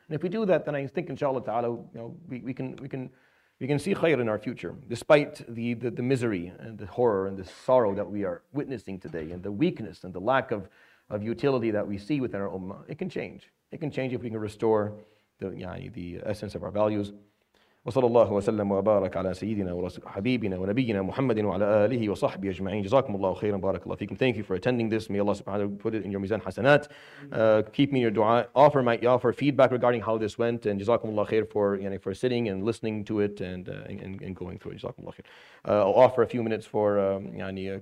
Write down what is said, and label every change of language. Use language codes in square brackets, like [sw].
[en] And if we do that, then I think, inshallah ta'ala, we can see khair in our future, despite the misery and the horror and the sorrow that we are witnessing today, and the weakness and the lack of utility that we see within our ummah. It can change. It can change if we can restore the essence of our values. [ar] وصلى الله وسلم وبارك على سيدنا ورسول حبيبنا ونبينا محمد وعلى آله وصحبه أجمعين. جزاكم الله خيرا بارك الله فيكم. [en] Thank you for attending this. May Allah subhanahu wa ta'ala put it in your mizan hasanat. Keep me in your dua. Offer feedback regarding how this went. And [ar] جزاكم الله خير [en] for sitting and listening to it and going through it. جزاكم الله خير. I'll offer a few minutes for questions.